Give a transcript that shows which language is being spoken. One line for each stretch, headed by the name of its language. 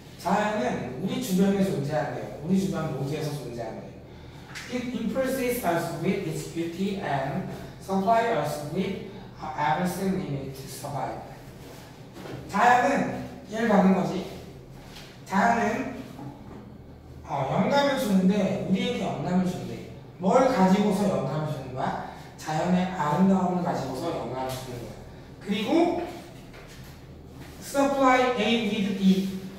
Korean: 자연은 우리 주변에 존재한대요. 우리 주변 모두에서 존재한대요.
English: It impresses us with its beauty and supplies us with everything we need to survive.
Korean: 자연은 이해를 받는 거지. 자연은 영감을 주는데 우리에게 영감을 주는데 뭘 가지고서 영감을 주는 거야? 자연의 아름다움을 가지고서 영감을 주는 거야. 그리고
English: supply A with B.